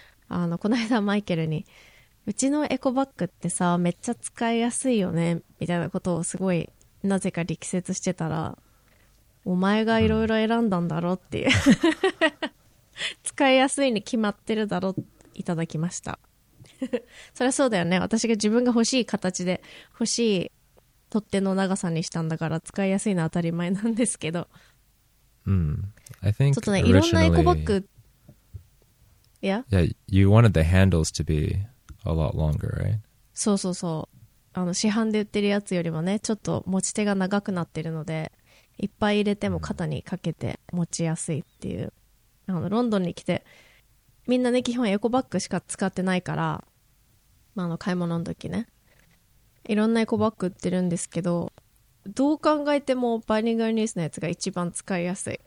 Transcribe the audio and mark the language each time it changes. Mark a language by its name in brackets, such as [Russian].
[Japanese] この間マイケルに、うちのエコバッグってさ、めっちゃ使いやすいよねみたいなことをすごいなぜか力説してたら、お前がいろいろ選んだんだろっていう、うん、使いやすいに決まってるだろ、いただきました。そりゃそうだよね。私が自分が欲しい形で、欲しい取っ手の長さにしたんだから、使いやすいのは当たり前なんですけど。 [English] うん。I think [Japanese] ちょっとね、いろんなエコバッグ、 [English] Yeah, you wanted the handles to be a lot longer, right? [Japanese] そうそうそう。市販で売ってるやつよりもね、ちょっと持ち手が長くなってるので、いっぱい入れても肩にかけて持ちやすいっていう、ロンドンに来てみんなね、基本エコバッグしか使ってないから、買い物の時ね、いろんなエコバッグ売ってるんですけど、どう考えてもバイリンガルニュースのやつが一番使いやすい。